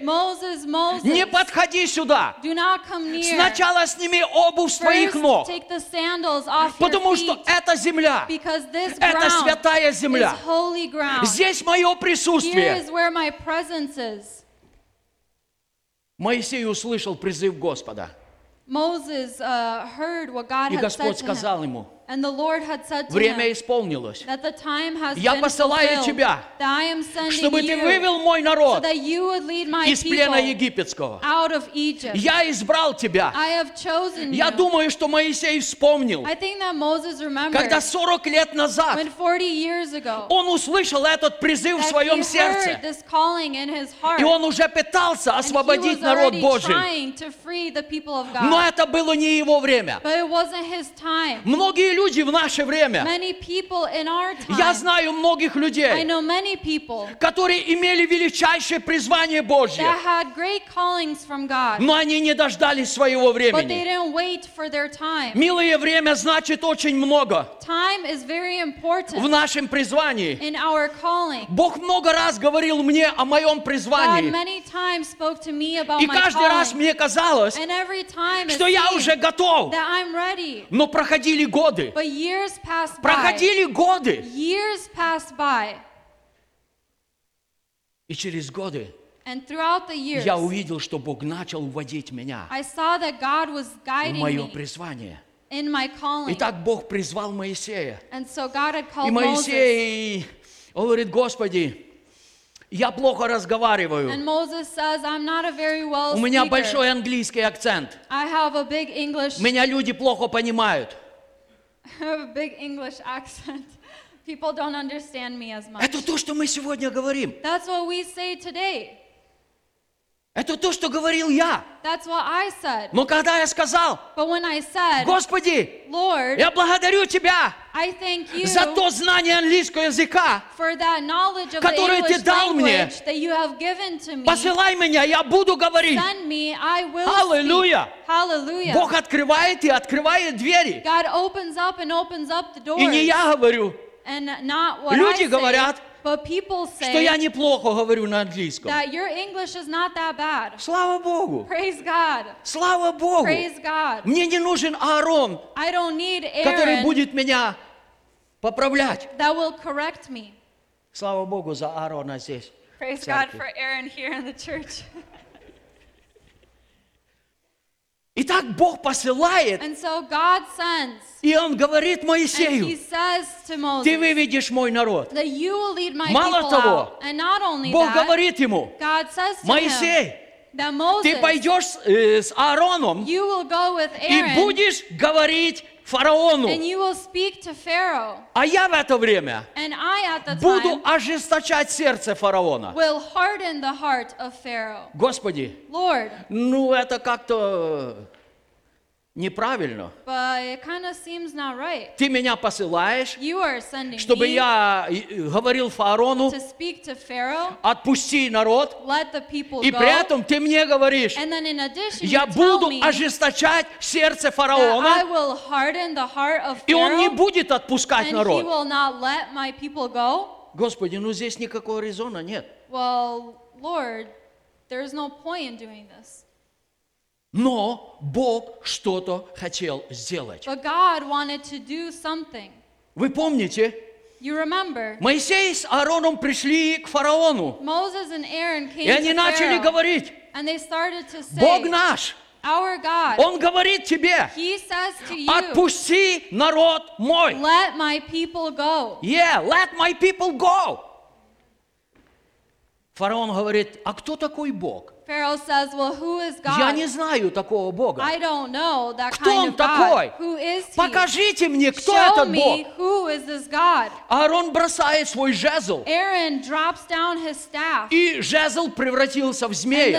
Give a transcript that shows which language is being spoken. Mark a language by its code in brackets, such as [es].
[en] Moses, Moses, [ru] не подходи сюда. [en] Do not come near. [ru] Сначала сними обувь [en] first, [ru] с твоих ног. [en] Take the sandals off [ru] потому [en] your feet, [ru] что эта земля, [en] because this ground [ru] это святая земля. [en] Is holy ground. [ru] Здесь мое присутствие. [en] Here is where my presence is. [ru] Моисей услышал призыв Господа. [en] Moses heard what God had said to him. And the Lord had said to him that the time has been fulfilled, [ru] тебя, [en] that I am sending you, [ru] вывел мой народ [en] so that you would lead my [ru] из плена [en] people [ru] египетского. [en] Out of Egypt. [ru] Я избрал тебя. [en] I have chosen [ru] я [en] you. [ru] Думаю, что Моисей вспомнил, [en] I think that Moses remembered [ru] когда 40 лет назад, [en] when 40 years ago [ru] он услышал этот призыв в своем [en] he [ru] сердце, [en] heard this calling in his heart [ru] и он уже пытался освободить [en] and he was [ru] народ [en] already [ru] Божий. [en] Trying to free the people of God. [ru] Но это было не его время. [en] But it wasn't his time. [ru] Многие люди в наше время. [en] Many people in our time, [ru] я знаю многих людей, [en] I know many people, [ru] которые имели величайшее призвание Божье, [en] that had great callings from God, [ru] но они не дождались своего времени. [en] But they didn't wait for their time. [ru] Милое время значит очень много [en] time is very important [ru] в нашем призвании. [en] In our calling. [ru] Бог много раз говорил мне о моем призвании. [en] God many times spoke to me about [ru] и каждый [en] my [ru] раз мне казалось, [en] and every time [ru] что я уже готов, [en] that I'm ready. [ru] Но проходили годы. [en] But years passed by. [ru] Проходили годы. [en] Years passed by. [ru] И через годы. [en] And throughout the years. [ru] Я увидел, что Бог начал вводить меня. [en] I saw that God was guiding [ru] мое призвание. [en] Me in my calling. [ru] И так Бог призвал Моисея. [en] And so God had called [ru] и Моисей, Moses. Говорит, Господи, я плохо разговариваю. [en] And Moses says, I'm not a very well [ru] у меня [en] speaker. [ru] Большой английский акцент. [en] I have a big English. [ru] Меня люди плохо понимают. [en] I have a big English accent. People don't understand me as much. [ru] Это то, что мы сегодня говорим. [en] That's what we say today. [ru] Это то, что говорил я. [en] That's what I said. [ru] Но когда я сказал, [en] but when I said, [ru] Господи, [en] Lord, [ru] я благодарю тебя [en] I thank you [ru] за то знание английского языка, [en] for that knowledge of [ru] которое [en] the English [ru] ты дал мне. [en] That you have given to me. [ru] Посылай меня, я буду говорить. [en] Send me, I will Hallelujah. Speak. Hallelujah. [ru] Бог открывает и открывает двери. [en] God opens up and opens up the doors. [ru] И не я говорю. [en] And not what [ru] люди [en] I [ru] говорят, [en] say, but people say, [ru] что я неплохо говорю на английском. [en] That your English is not that bad. [ru] Слава Богу. [en] Praise God. [ru] Слава Богу. [en] Praise God. [ru] Мне не нужен Аарон, [en] I don't need Aaron, [ru] который будет меня поправлять. [en] That will correct me. [ru] Слава Богу за Аарона здесь. [en] Praise God for Aaron here in the church. [ru] Итак, Бог посылает, [en] and so God sends, [ru] и Он говорит Моисею, [en] and he says to Moses, [ru] ты выведешь мой народ. [en] That you will lead my [ru] мало того, [en] out. And not only [ru] Бог [en] that, [ru] говорит ему, [en] God says to [ru] Моисей, [en] him, that Moses, [ru] ты пойдешь с Аароном [en] you will go with Aaron, [ru] и будешь говорить фараону. [en] And you will speak to Pharaoh, [ru] а я в это время [en] and I at the time, [ru] буду ожесточать сердце фараона. [en] Will harden the heart of Pharaoh. [ru] Господи, [en] Lord, [ru] ну это как-то неправильно. [en] But it kind of seems not right. [ru] Ты меня посылаешь, [en] you are sending [ru] чтобы [en] me [ru] я говорил фараону, [en] to speak to Pharaoh, [ru] отпусти народ, [en] let the people [ru] и [en] go. [ru] При этом ты мне говоришь, [en] and then in addition, [ru] я буду ожесточать сердце фараона, [en] that I will harden the heart of Pharaoh, [ru] и он не будет отпускать [en] and [ru] народ. [en] He will not let my people go. [ru] Господи, ну здесь никакого резона нет. [en] Well, Lord, there is no point in doing this. [ru] Но Бог что-то хотел сделать. [en] But God wanted to do something. [ru] Вы помните? [en] You remember? [ru] Моисей с Аароном пришли к фараону. [en] Moses and Aaron came to Pharaoh. [ru] И они начали говорить. [en] And they started to say, [ru] Бог наш. [en] Our God. [ru] Он говорит тебе. [en] He says to you. [ru] Отпусти народ мой. [en] Let my people go. Yeah, let my people go. [ru] Фараон говорит, а кто такой Бог? [en] Pharaoh says, well, who is God? [ru] Я не знаю такого Бога. [en] I don't know that [ru] кто [en] kind [ru] он [en] of God? [ru] Такой? [en] Who is he? [ru] Покажите мне, кто [en] show [ru] этот [en] me [ru] Бог. [en] Who is this God? [ru] Аарон бросает свой жезл. [en] Aaron drops down his staff. [ru] И жезл превратился в змея.